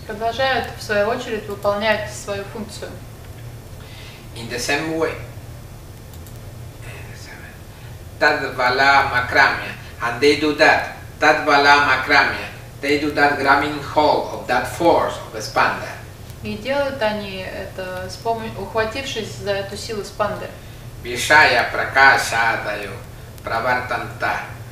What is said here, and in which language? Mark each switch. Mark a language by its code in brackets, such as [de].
[ru] Продолжают в свою очередь выполнять свою функцию. [en] In the same way, tadvala makramya, and they do that. Tadvala makramya, they do that grabbing hold of that force of spanda. [ru] И делают они это, ухватившись за эту силу спанды. [sa] Вишая пракашадаю правартанта.